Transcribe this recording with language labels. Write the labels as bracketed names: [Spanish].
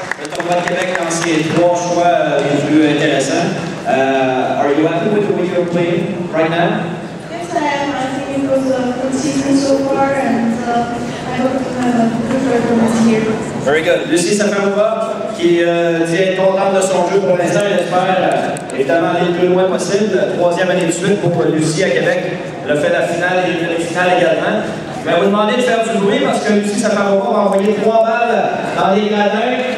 [French] Le tournoi de Québec, dans ces trois choix, les plus intéressants. [English] Are you happy with what you're playing right now? Yes, I am. I think it was a good season so far, and I hope to have a good performance here. Very good. [French] Lucie Safarova, qui tient contente de son jeu pour l'instant, j'espère, est allée le plus loin possible. Troisième année de suite pour Lucie à Québec. Elle a fait la finale et la finale également. Mais vous demandez de faire du bruit parce que Lucie Safarova va envoyer trois balles dans les gradins.